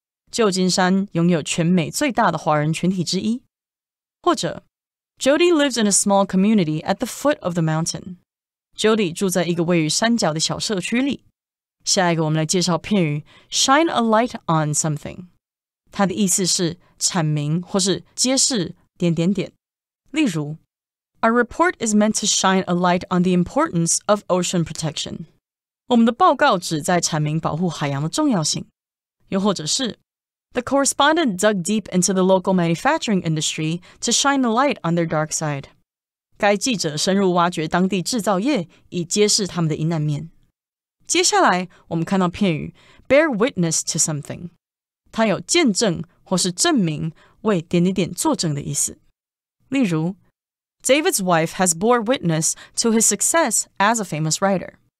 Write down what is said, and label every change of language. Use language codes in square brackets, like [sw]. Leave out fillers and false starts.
[zh] 旧金山拥有全美最大的华人群体之一。 [en] 或者 ,Jody lives in a small community at the foot of the mountain. [zh] Jody 住在一个位于山脚的小社区里。下一个我们来介绍片语 , shine a light on something. 它的意思是阐明或是揭示点点点。 [en] 例如 ,Our report is meant to shine a light on the importance of ocean protection. [zh] 我们的报告旨在阐明保护海洋的重要性。 [en] 又或者是 ,The correspondent dug deep into the local manufacturing industry to shine a light on their dark side. [zh] 该记者深入挖掘当地制造业以揭示他们的阴暗面。接下来我们看到片语 , bear witness to something. 它有见证或是证明为点点点作证的意思。 [en] 例如 ,David's wife has bore witness to his success as a famous writer.